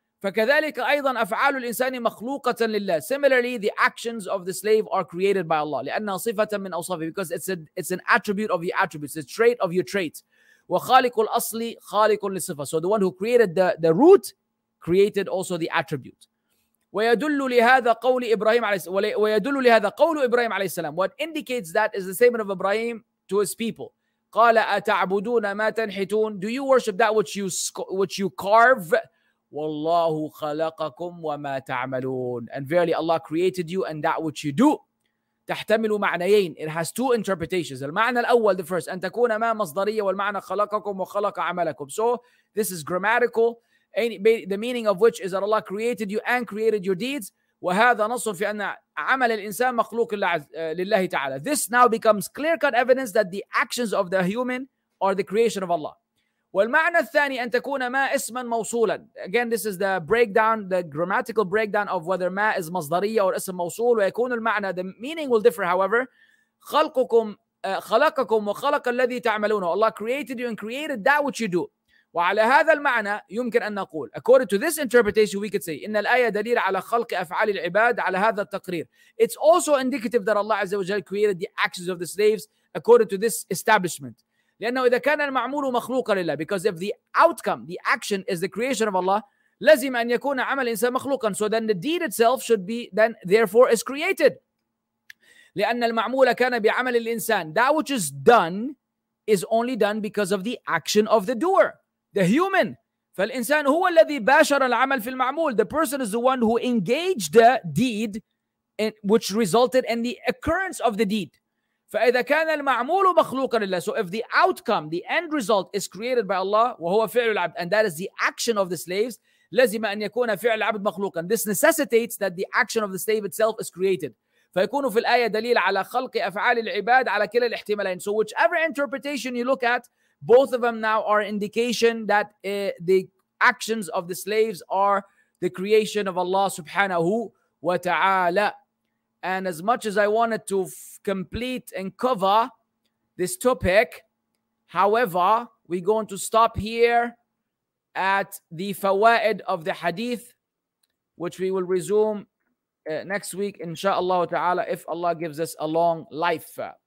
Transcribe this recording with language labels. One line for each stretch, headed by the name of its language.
Arabic: فكذلك أيضا أفعال الإنسان مخلوقة لله.
English: Similarly, the actions of the slave are created by Allah.
Arabic: لأنها صفة من أوصافه.
English: Because it's an attribute of your attributes, a trait of your traits.
Arabic: وخالق الأصل خالق للصفة.
English: So the one who created the root created also the attribute.
Arabic: ويدل لهذا قول إبراهيم عليه السلام. ويدل لهذا قول إبراهيم عليه السلام.
English: What indicates that is the statement of Ibrahim to his people.
Arabic: قال أتعبدون ما تنحتون.
English: Do you worship that which you carve?
Arabic: والله خلقكم وما تعملون.
English: And verily Allah created you and that which you do.
Arabic: تحتمل معنيين.
English: It has two interpretations.
Arabic: المعنى الأول,
English: the first,
Arabic: أن تكون ما مصدرية, والمعنى خلقكم وخلق عملكم.
English: So this is grammatical. The meaning of which is that Allah created you and created your deeds.
Arabic: وهذا نص في أن عمل الإنسان مخلوق لله تعالى.
English: This now becomes clear-cut evidence that the actions of the human are the creation of Allah.
Arabic: والمعنى الثاني أن تكون ما اسما موصولا.
English: Again, this is the breakdown, the grammatical breakdown of whether ما is مصدرية or اسم موصول.
Arabic: ويكون المعنى,
English: the meaning will differ, however.
Arabic: خلقكم وخلق الذي تعملونه.
English: Allah created you and created that which you do.
Arabic: وعلى هذا المعنى يمكن أن نقول,
English: according to this interpretation, we could say
Arabic: إن الآية دليل على خلق أفعال العباد على هذا التقرير.
English: It's also indicative that Allah عز وجل created the actions of the slaves according to this establishment.
Arabic: لأنه إذا كان المعمول مخلوقا لله,
English: because if the outcome, the action is the creation of Allah,
Arabic: لازم أن يكون عمل إنسان مخلوقا.
English: So then the deed itself should be, then therefore is created.
Arabic: لأن المعمول كان بعمل الإنسان.
English: That which is done is only done because of the action of the doer. The human.
Arabic: فالإنسان هو الذي باشر العمل في المعمول.
English: The person is the one who engaged the deed in, which resulted in the occurrence of the deed.
Arabic: فإذا كان المعمول مخلوقا لله.
English: So if the outcome, the end result is created by Allah,
Arabic: وهو فعل العبد,
English: and that is the action of the slaves,
Arabic: لازم أن يكون فعل العبد مخلوقا.
English: This necessitates that the action of the slave itself is created.
Arabic: فيكون في الآية دليل على خلق أفعال العباد على كلا الاحتمالين.
English: So whichever interpretation you look at, both of them now are indication that the actions of the slaves are the creation of Allah subhanahu wa ta'ala. And as much as I wanted to complete and cover this topic, however, we're going to stop here at the fawaid of the hadith, which we will resume next week, insha'Allah ta'ala, if Allah gives us a long life.